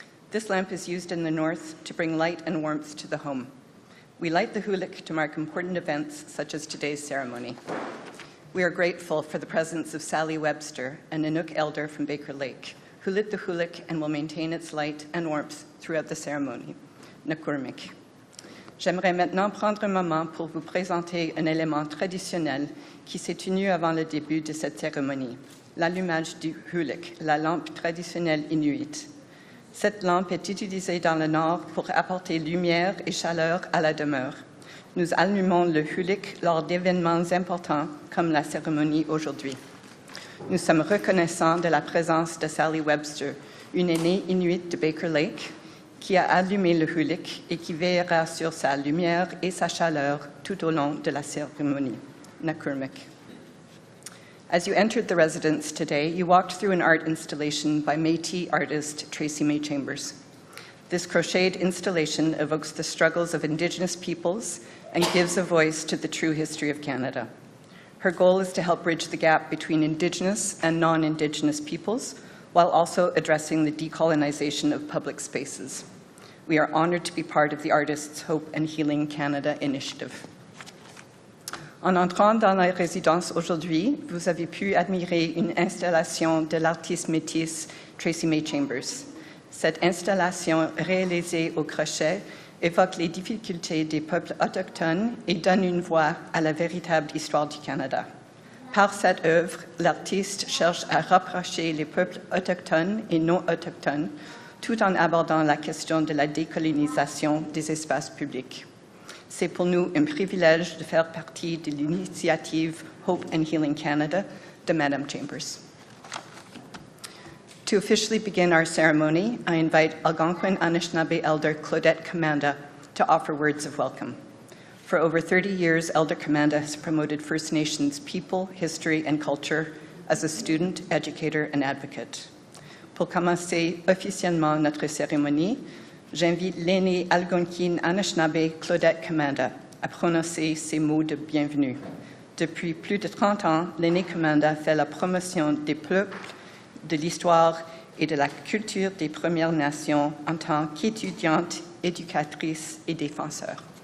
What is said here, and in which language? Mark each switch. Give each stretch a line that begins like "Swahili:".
English: This lamp is used in the north to bring light and warmth to the home. We light the hulik to mark important events such as today's ceremony. We are grateful for the presence of Sally Webster, an Inuk elder from Baker Lake, who lit the hulik and will maintain its light and warmth throughout the ceremony.
Inuktitut: Nakurmik.
French: J'aimerais maintenant prendre un moment pour vous présenter un élément traditionnel qui s'est tenu avant le début de cette cérémonie, l'allumage du hulik, la lampe traditionnelle inuite. Cette lampe est utilisée dans le nord pour apporter lumière et chaleur à la demeure. Nous allumons le hulik lors d'événements importants comme la cérémonie aujourd'hui. Nous sommes reconnaissants de la présence de Sally Webster, une aînée inuite de Baker Lake, qui a allumé le hulik et qui veillera sur sa lumière et sa chaleur tout au long de la cérémonie.
Inuktitut: Nakurmik.
English: As you entered the residence today, you walked through an art installation by Métis artist Tracy May Chambers. This crocheted installation evokes the struggles of Indigenous peoples and gives a voice to the true history of Canada. Her goal is to help bridge the gap between Indigenous and non-Indigenous peoples, while also addressing the decolonization of public spaces. We are honored to be part of the Artists' Hope and Healing Canada initiative.
French: En entrant dans la résidence aujourd'hui, vous avez pu admirer une installation de l'artiste métisse Tracy May Chambers. Cette installation réalisée au crochet évoque les difficultés des peuples autochtones et donne une voix à la véritable histoire du Canada. Par cette œuvre, l'artiste cherche à rapprocher les peuples autochtones et non autochtones, tout en abordant la question de la décolonisation des espaces publics. C'est pour nous un privilège de faire partie de l'initiative Hope and Healing Canada de Madame Chambers.
English: To officially begin our ceremony, I invite Algonquin Anishinaabe Elder Claudette Kamanda to offer words of welcome. For over 30 years, Elder Kamanda has promoted First Nations people, history, and culture as a student, educator, and advocate.
French: Pour commencer officiellement notre cérémonie, j'invite l'aîné algonquin Anishinaabe Claudette Commanda à prononcer ses mots de bienvenue. Depuis plus de 30 ans, l'aîné Commanda fait la promotion des peuples, de l'histoire et de la culture des Premières Nations en tant qu'étudiante, éducatrice et défenseur.